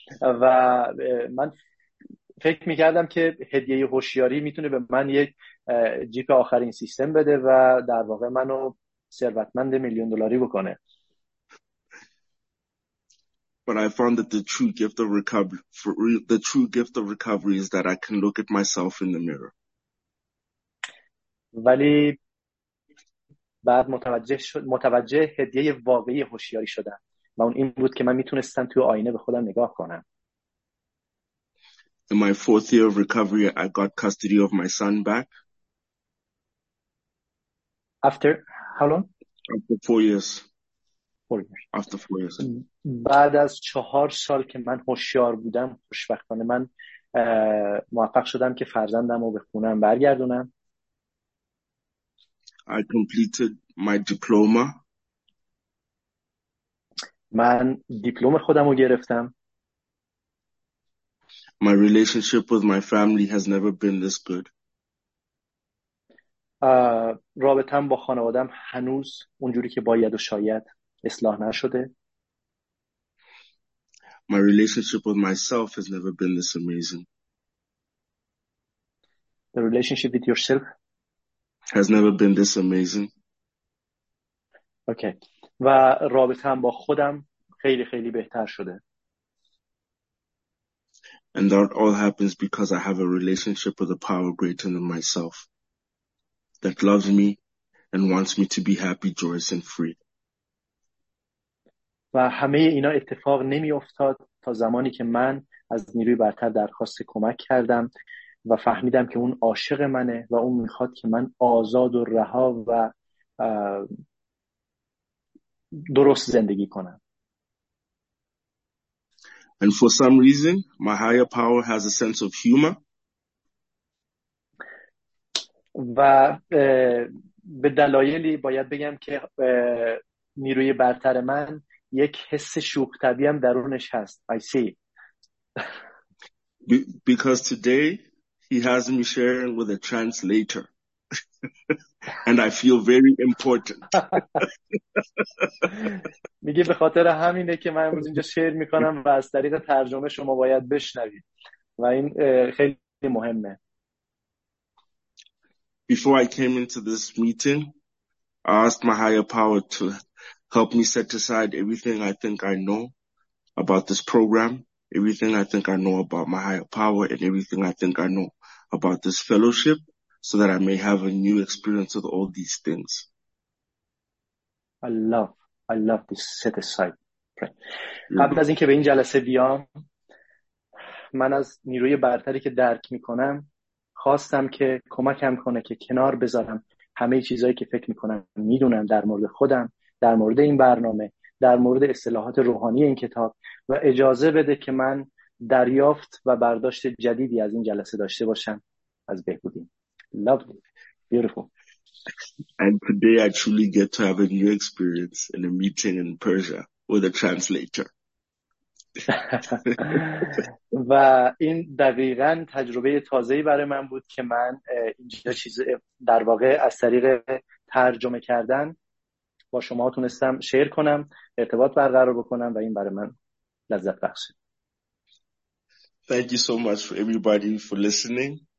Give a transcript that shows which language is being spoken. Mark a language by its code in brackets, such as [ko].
[fa] و من فکر می‌کردم که هدیه هوشیاری میتونه به من یک جیپ آخرین سیستم بده و در واقع منو ثروتمند میلیون دلاری بکنه. [en] But I found that the true gift of recovery is that I can look at myself in the mirror. [fa] ولی بعد متوجه هدیه واقعی هوشیاری شدم و اون این بود که من میتونستم توی آینه به خودم نگاه کنم. [en] In my fourth year of recovery, I got custody of my son back. After how long? After 4 years. 4 years. After 4 years. [fa] بعد از 4 سال که من هوشیار بودم، خوشبختانه من موفق شدم که فرزندم رو به خونم برگردونم. [en] I completed my diploma. [fa] من دیپلم خودم رو گرفتم. [en] My relationship with my family has never been this good. [fa] رابطه‌ام با خانواده‌ام هنوز اونجوری که باید و شاید اصلاح نشده. [en] My relationship with myself has never been this amazing. The relationship with yourself has never been this amazing. Okay. [fa] و رابطه‌ام با خودم خیلی خیلی بهتر شده. [en] And that all happens because I have a relationship with a power greater than myself that loves me and wants me to be happy, joyous, and free. [fa] و همه اینا اتفاق نمی افتاد تا زمانی که من از نیروی برتر درخواست کمک کردم و فهمیدم که اون عاشق منه و اون میخواد که من آزاد و رها و درست زندگی کنم. [en] And for some reason, my higher power has a sense of humor. [fa] و به دلایلی باید بگم که نیروی برتر من یک حس شوخ طبعی هم درونش هست. [en] I see. Because today he has me sharing with a translator. And I feel very important. [fa] میگه به خاطر همینه که من امروز اینجا شیر میکنم و از طریق ترجمه شما باید بشنوید و این خیلی مهمه. [en] Before I came into this meeting, I asked my higher power to help me set aside everything I think I know about this program everything I think I know about my higher power and everything I think I know about this fellowship so that I may have a new experience with all these things. I love this set aside. [fa] قبل از اینکه به این جلسه بیام من از نیروی برتری که درک میکنم خواستم که کمکم کنه که کنار بذارم همه چیزهایی که فکر میکنم میدونم در مورد خودم، در مورد این برنامه، در مورد اصطلاحات روحانی این کتاب و اجازه بده که من دریافت و برداشت جدیدی از این جلسه داشته باشم از بهبودیم. [en] Lovely. Beautiful. And today I truly get to have a new experience in a meeting in Persia with a translator. [fa] و این دقیقاً تجربه تازه‌ای برای من بود که من اینجا چیز در واقع از طریق ترجمه کردن با شما تونستم شیر کنم، ارتباط برقرار بکنم و این برای من لذت بخش. [en] Thank you so much for everybody for listening.